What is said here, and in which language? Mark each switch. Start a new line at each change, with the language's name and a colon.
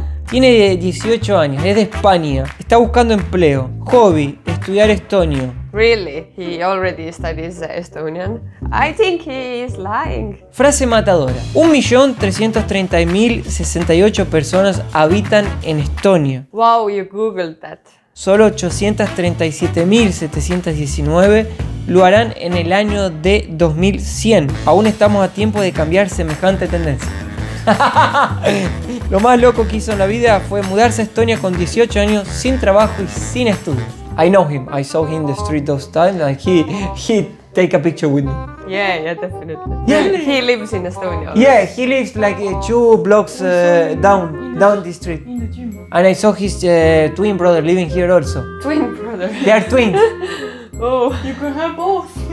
Spanish: Tiene 18 años, es de España, está buscando empleo. Hobby, estudiar estonio.
English: Really? He already studies Estonian? I think he is lying.
Spanish: Frase matadora. 1,330,068 personas habitan en Estonia.
English: Wow, you googled that.
Spanish: Solo 837,719 lo harán en el año de 2100. Aún estamos a tiempo de cambiar semejante tendencia. Lo más loco que hizo en la vida fue mudarse a Estonia con 18 años, sin trabajo y sin estudios.
English: I know him. I saw him in the street those times and he take a picture with me. Yeah, definitely. He lives in Estonia. Yeah, he lives like two blocks down the street. In the gym. And I saw his twin brother living here also. Twin brother? They are twins. Oh, you can have both.